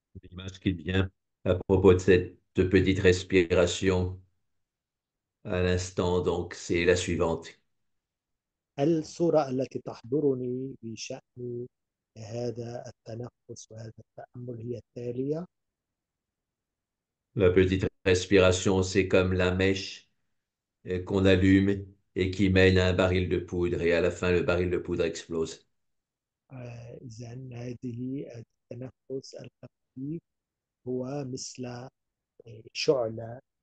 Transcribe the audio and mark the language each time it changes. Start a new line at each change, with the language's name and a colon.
French: image qui vient à propos de cette petite respiration à l'instant, donc c'est la suivante.
Arabic: الصورة التي تحضرني بشأن هذا التنفس وهذا التأمل هي التالية.
French: La petite respiration, c'est comme la mèche qu'on allume et qui mène à un baril de poudre, et à la fin, le baril de poudre explose.
Arabic: إذن هذه التنفس الخفيف هو مثل شعلة